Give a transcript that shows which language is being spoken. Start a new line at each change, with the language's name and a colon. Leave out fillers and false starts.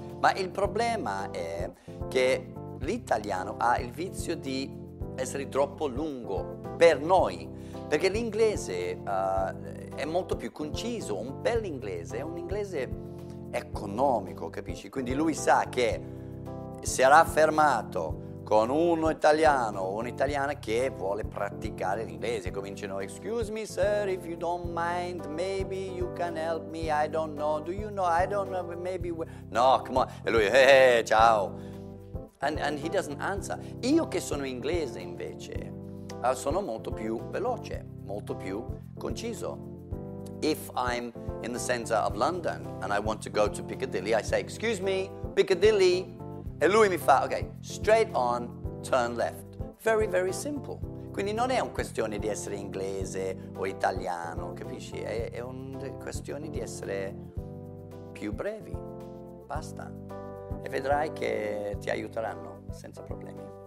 Italian: Ma il problema è che l'italiano ha il vizio di essere troppo lungo per noi, perché l'inglese è molto più conciso. Un bel inglese è un inglese economico, capisci? Quindi lui sa che sarà fermato con un italiano o un'italiana che vuole praticare l'inglese.
English: Cominciano, excuse me sir, if you don't mind, maybe you can help me, I don't know, do you know, I don't know, maybe... No, come on.
Italian: E lui, hey, ciao.
English: And he doesn't answer.
Italian: Io che sono inglese invece, sono molto più veloce. molto più conciso.
English: If I'm in the center of London and I want to go to Piccadilly, I say, excuse me, Piccadilly,
Italian: e lui mi fa,
English: okay, straight on, turn left. Very, very simple.
Italian: Quindi non è una questione di essere inglese o italiano, capisci? È una questione di essere più brevi. Basta. E vedrai che ti aiuteranno senza problemi.